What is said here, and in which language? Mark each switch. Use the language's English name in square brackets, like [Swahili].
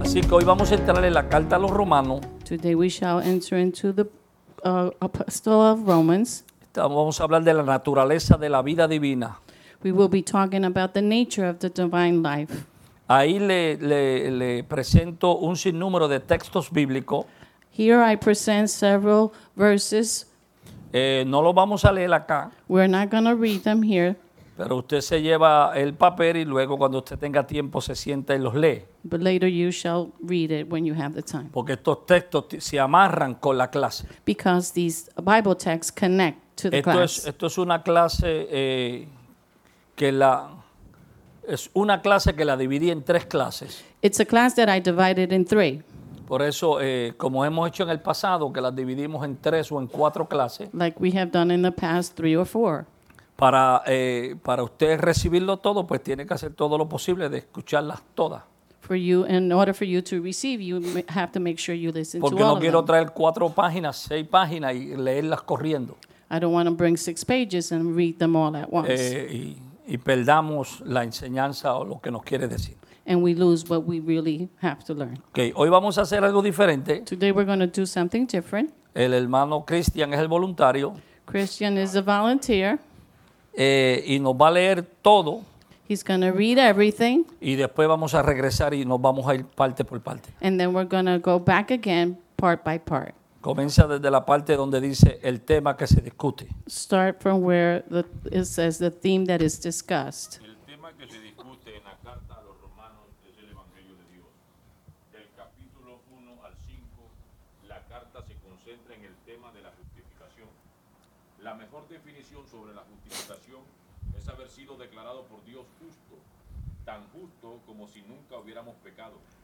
[Spanish] hoy vamos a entrar en la carta a los romanos. [English] Today we shall enter into the epistle of Romans. [Spanish] Vamos a hablar de la naturaleza de la vida divina. [English] We will be talking about the nature of the divine life. [Spanish] Ahí le presento un sinnúmero de textos bíblicos. [English] Here I present several verses. [Spanish] No lo vamos a leer acá. [English] We're not going to read them here. [Spanish] Pero usted se lleva el papel y luego cuando usted tenga tiempo se sienta y los lee. [English] But later you shall read it when you have the time. [Spanish] Porque estos textos se amarran con la clase. [English] Because these Bible texts connect to the class. [Spanish] Esto es una clase que la es una clase que la dividí en tres clases. [English] It's a class that I divided in three. [Spanish] Por eso, como hemos hecho en el pasado, que las dividimos en tres o en cuatro clases. [English] Like we have done in the past, three or four. [Spanish] Para usted recibirlo todo, pues tiene que hacer todo lo posible de escucharlas todas. [English] For you, in order for you to receive, you have to make sure you listen to all of them. [Spanish] Porque no quiero traer cuatro páginas, seis páginas y leerlas corriendo. [English] I don't want to bring six pages and read them all at once. [Spanish] Y perdamos la enseñanza o lo que nos quiere decir. [English] And we lose what we really have to learn. [Spanish] Okay, hoy vamos a hacer algo diferente. [English] Today we're going to do something different. [Spanish] El hermano Christian es el voluntario. [English] Christian is a volunteer. [Spanish] Y nos va a leer todo. [English] He's going to read everything. [Spanish] Y después vamos a regresar y nos vamos a ir parte por parte. [English] And then we're going to go back again part by part. [Spanish] Comienza desde la parte donde dice el tema que se discute. [English] Start from where it says the theme that is discussed. [Spanish] El tema que se discute en la carta a los romanos es el Evangelio de Dios. Del capítulo 1 al 5, la carta se concentra en el tema de la justificación. La mejor definición sobre la justificación es haber sido declarado por Dios justo, tan justo como si nunca hubiéramos pecado.